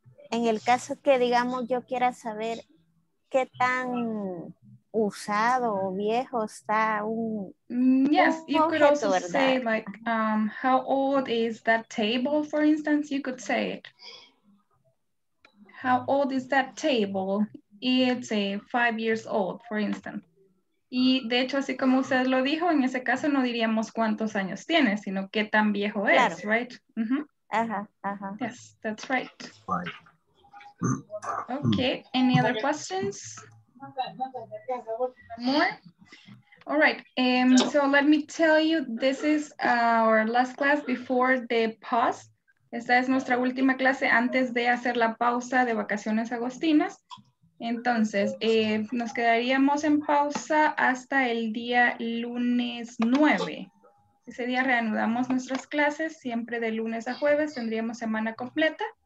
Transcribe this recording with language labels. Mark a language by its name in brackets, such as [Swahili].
[Spanish] En el caso que digamos yo quiera saber qué tan usado o viejo está un [English] yes, un you objeto, could also ¿verdad? Say like how old is that table, for instance, you could say it. How old is that table? It's 5 years old, for instance. [Spanish] Y de hecho, así como usted lo dijo, en ese caso no diríamos cuántos años tiene, sino qué tan viejo es, claro. [English] Right? Mm-hmm. Uh-huh. Yes, that's right. Okay, any other questions? More? All right, so let me tell you, this is our last class before the pause. [Spanish] Esta es nuestra última clase antes de hacer la pausa de vacaciones agostinas. Entonces, nos quedaríamos en pausa hasta el día lunes 9. Ese día reanudamos nuestras clases, siempre de lunes a jueves, tendríamos semana completa.